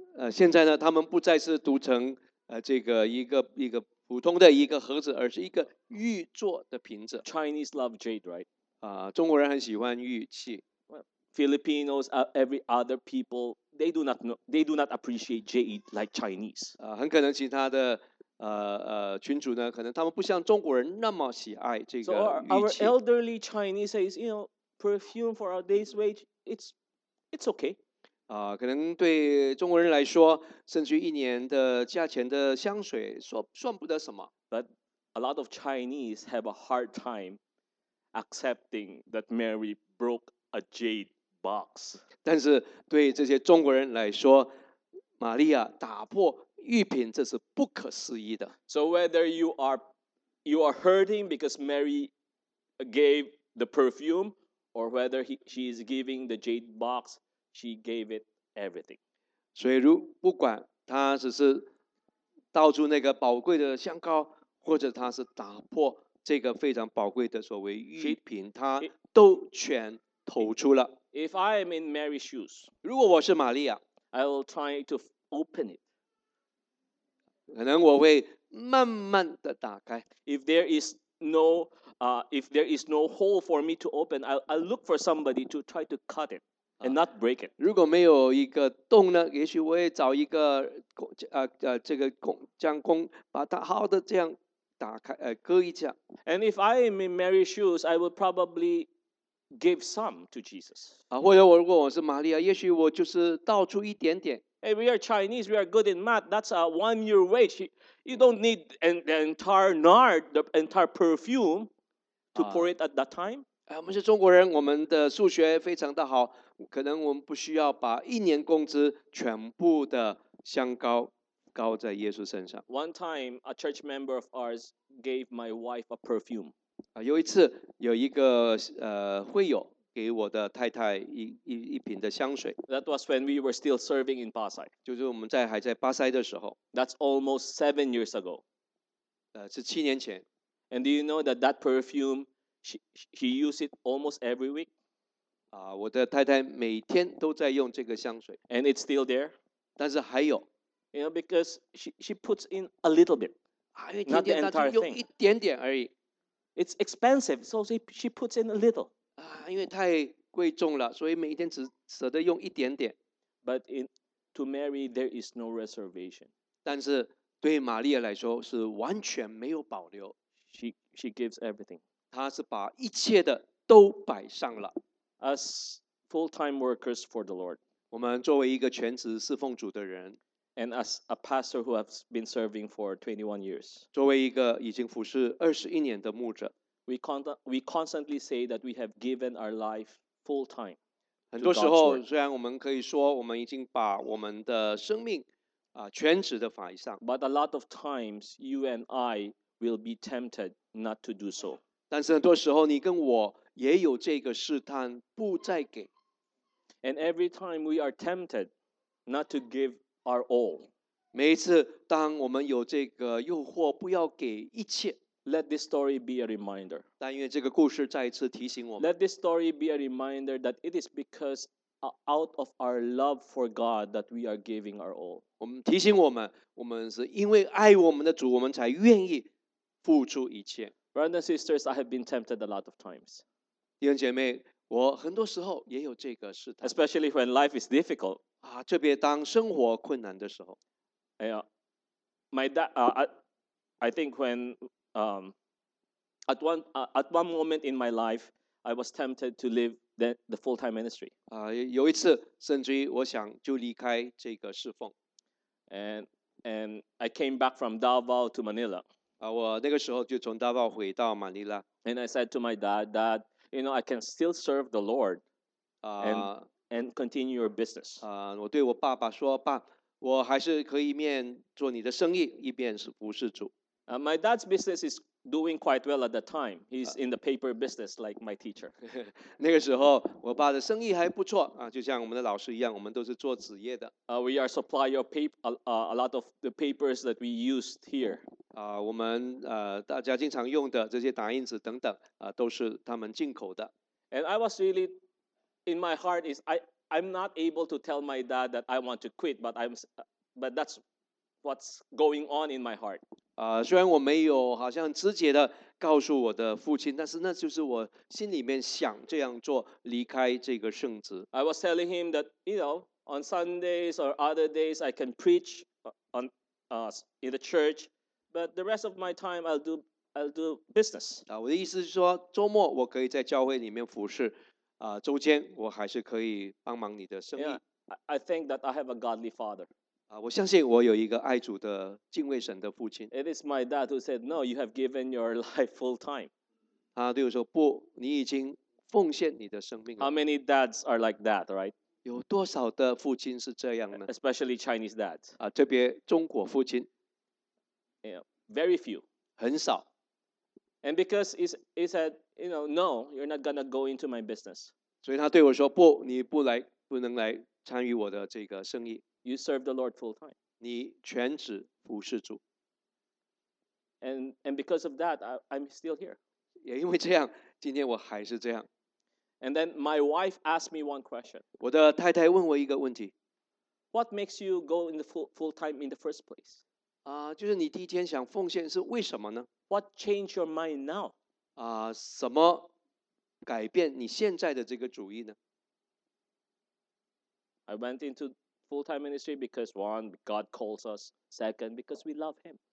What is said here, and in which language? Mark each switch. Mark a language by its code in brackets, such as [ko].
[zh] 现在呢，他们不再是读成这个一个普通的一个盒子，而是一个玉做的瓶子。 [en] Chinese love jade, right? [zh] 中国人很喜欢玉器。 [en] Filipinos, every other people, they do not appreciate jade like Chinese. [zh] 很可能其他的群组呢，可能他们不像中国人那么喜爱这个玉器。 [en] So our elderly Chinese says, you know, perfume for our day's wage, it's okay. [zh] 可能对中国人来说，甚至一年的价钱的香水算不得什么。 [en] But a lot of Chinese have a hard time accepting that Mary broke a jade. box， [zh] 但是对这些中国人来说，玛利亚打破玉瓶，这是不可思议的。 [en] So whether you are hurting because Mary gave the perfume, or whether she is giving the jade box, she gave it everything. [zh] 所以如不管她只是倒出那个宝贵的香膏，或者她是打破这个非常宝贵的所谓玉瓶，她都全投出了。 [en] If I am in Mary's shoes, [zh] 如果我是玛利亚 [en] I will try to open it. [zh] 可能我会慢慢的打开 [en] If there is no, if there is no hole for me to open, I'll look for somebody to try to cut it and not break it. [zh] 如果没有一个洞呢，也许我会找一个这个工把它好的这样打开割一下 [en] And if I am in Mary's shoes, I will probably. Give some to Jesus. [zh] 或者我如果我是玛利亚，也许我就是倒出一点点。 [en] Hey, we are Chinese. We are good in math. That's a 1 year wage. You don't need the entire nard, the entire perfume, to pour it at that time. [zh] 我们是中国人，我们的数学非常的好，可能我们不需要把一年工资全部的香膏膏在耶稣身上。 [en] One time, a church member of ours gave my wife a perfume. [zh] 有一次有一个会友给我的太太 一瓶的香水 [en] That was when we were still serving in Pasai [zh] 就是我们在还在巴塞的时候 [en] That's almost 7 years ago [zh] 是七年前 [en] And do you know that that perfume she used it almost every week [zh] 我的太太每天都在用这个香水 [en] And it's still there [zh] 但是还有 [en] You know because she puts in a little bit [zh] 还有一点点她就用一点点而已 [en] It's expensive, so she puts in a little. [zh] 因为太贵重了，所以每天只舍得用一点点。 [en] But to Mary, there is no reservation. [zh] 但是对玛利亚来说是完全没有保留。 [en] She gives everything. [zh] 她是把一切的都摆上了。 [en] As full-time workers for the Lord. [zh] 我们作为一个全职侍奉主的人。 [en] And as a pastor who has been serving for 21 years. [zh] 作为一个已经服侍21年的牧者。 [en] We constantly say that we have given our life full-time. [zh] 很多时候虽然我们可以说我们已经把我们的生命全职的摆上。 [en] But a lot of times you and I will be tempted not to do so. [zh] 但是很多时候你跟我也有这个试探不再给。 [en] And every time we are tempted not to give our all. [zh] 每一次当我们有这个诱惑不要给一切。 [en] Let this story be a reminder. [zh] 但愿这个故事再一次提醒我们。 [en] Let this story be a reminder that it is because out of our love for God that we are giving our all. [zh] 我们提醒我们，我们是因为爱我们的主，我们才愿意付出一切。 [en] Brothers and sisters, I have been tempted a lot of times. [zh] 弟兄姐妹，我很多时候也有这个试探。 [en] Especially when life is difficult. [zh] 啊，特别当生活困难的时候。 [en] 哎呀 ，my dad, I think when at one moment in my life, I was tempted to leave the full-time ministry. [zh] 有一次，甚至我想就离开这个侍奉。 [en] And I came back from Davao to Manila. [zh] 我那个时候就从 Davao 回到马尼拉。 [en] And I said to my dad, Dad, you know, I can still serve the Lord and continue your business. [zh] 我对我爸爸说，爸，我还是可以一面做你的生意，一边是服侍主。 [en] My dad's business is doing quite well at the time. He's in the paper business, like my teacher. [zh] 那个时候，我爸的生意还不错啊，就像我们的老师一样，我们都是做纸业的。 [en] We are supply your paper, a lot of the papers that we used here. [zh] 我们大家经常用的这些打印纸等等都是他们进口的。 [en] And I was really, in my heart, is I'm not able to tell my dad that I want to quit, but that's what's going on in my heart. [zh] 虽然我没有好像直接的告诉我的父亲，但是那就是我心里面想这样做，离开这个圣职。 [en] I was telling him that, you know, on Sundays or other days, I can preach on in the church, but the rest of my time, I'll do business. [zh] 我的意思是说，周末我可以在教会里面服侍，周间我还是可以帮忙你的生意。 [en] Yeah, I think that I have a godly father. [zh] 我相信我有一个爱主的敬畏神的父亲。 [en] It is my dad who said, "No, you have given your life full time." [zh] 他对我说，不，你已经奉献你的生命了。 [en] How many dads are like that, right? [zh] 有多少的父亲是这样呢？ [en] Especially Chinese dads. [zh] 特别中国父亲。 [en] Yeah, very few. [zh] 很少。 [en] And because he said, you know, "No, you're not gonna go into my business." [zh] 所以他对我说，不，你不来，不能来参与我的这个生意。 [en] You serve the Lord full time. [zh] 你全职服侍主。 [en] And because of that, I'm still here. [zh] 也因为这样，今天我还是这样。 [en] And then my wife asked me one question. [zh] 我的太太问我一个问题。 [en] What makes you go in the full time in the first place? [zh] 就是你第一天想奉献是为什么呢？ [en] What changed your mind now? [zh] 什么改变你现在的这个主意呢？ [en] I went into full-time ministry because one, God calls us. Second, because we love Him.